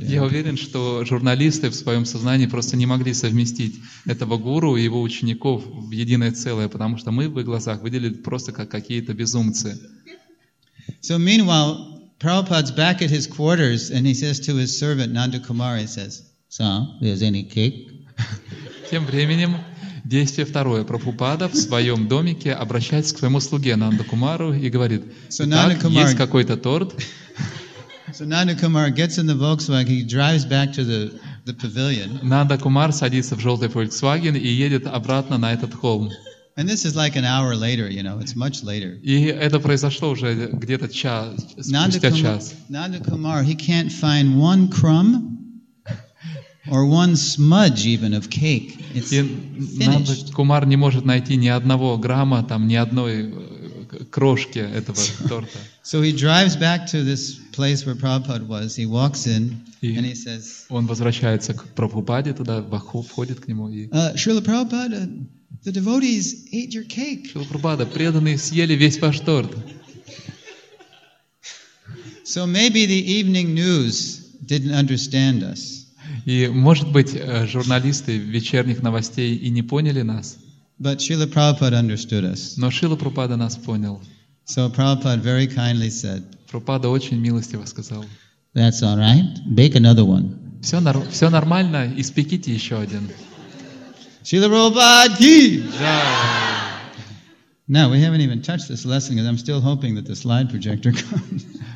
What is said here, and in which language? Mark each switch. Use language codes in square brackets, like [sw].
[ru] Я уверен, что журналисты в своем сознании просто не могли совместить этого гуру и его учеников в единое целое, потому что мы в их глазах выглядели просто как какие-то безумцы. [en] So meanwhile, Prabhupada's back at his quarters, and he says to his servant Nanda Kumar, he says, "Son, there's any cake?" [ru] Тем временем действие второе. Прабхупада в своем домике обращается к своему слуге Нанда Кумару и говорит: «Так, есть какой-то торт?» Нанда Кумар садится в желтый Volkswagen и едет обратно на этот холм. [en] And this is like an hour later, you know, it's much later. [ru] И это произошло уже где-то час, спустя час. [en] Нанда Кумар, he can't find one crumb. Or one smudge even of cake. It's finished. [ru] Кумар не может найти ни одного грамма, там, ни одной крошки этого торта. [en] So he drives back to this place where Prabhupada was. He walks in and he says. [ru] Он возвращается к Прабхупаде туда, входит к нему и. [en] Шрила Прабхупада, the devotees ate your cake. [ru] Шрила Прабхупада, преданные съели весь ваш торт. [en] So maybe the evening news didn't understand us. [ru] И, может быть, журналисты вечерних новостей и не поняли нас. [en] But Srila Prabhupada understood us. [ru] Но Шрила Прабхупада нас понял. [en] So Prabhupada very kindly said. [ru] Прабхупада очень милостиво сказал. [en] That's all right. Bake another one. [ru] Все нормально, испеките еще один. [hi] Srila Prabhupada ki! Jai! [en] Now, we haven't even touched this lesson because I'm still hoping that the slide projector comes.